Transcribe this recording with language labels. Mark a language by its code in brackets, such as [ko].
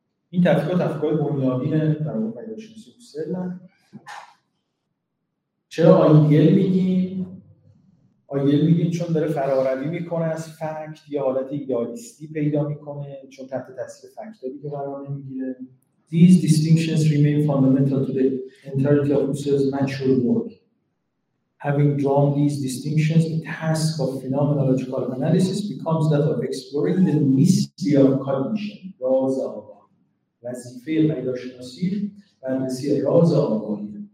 [fa] این تفکیک ها تفکیک های بنیادینه در واقع پدیدارشناسی روسل. چرا آیدیل میگیم؟ آیدیل میگیم چون داره فراروی میکنه از فکت، یه حالت ایدئالیستی پیدا میکنه، چون تحت تاثیر فکت داری که قرار نمیگیره. [en] These distinctions remain fundamental to the entirety of Husserl's mature work. Having drawn these distinctions, the task of phenomenological analysis becomes that of exploring the mystery of cognition, [fa] راز آگاهی. وظیفه پدیدارشناسی بررسی راز آگاهی.